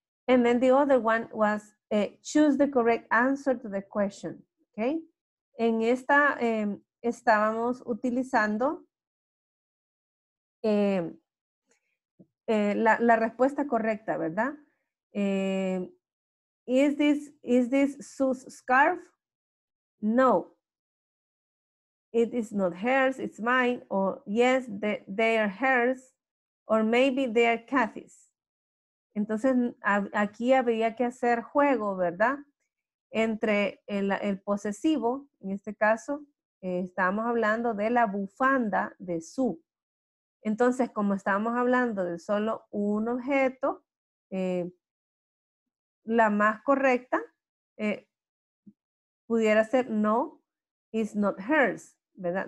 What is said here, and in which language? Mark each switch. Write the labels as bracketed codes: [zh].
[en] And then the other one was choose the correct answer to the question. Okay. [es] En esta estábamos utilizando la respuesta correcta, ¿verdad? [en] Is this Sue's scarf? No. It is not hers, it's mine, or yes, they are hers, or maybe they are Kathy's. [es] Entonces, aquí habría que hacer juego, ¿verdad? Entre el posesivo, en este caso, estábamos hablando de la bufanda de Sue. Entonces, como estábamos hablando de solo un objeto, la más correcta pudiera ser no, [en] it's not hers. [es] ¿Verdad?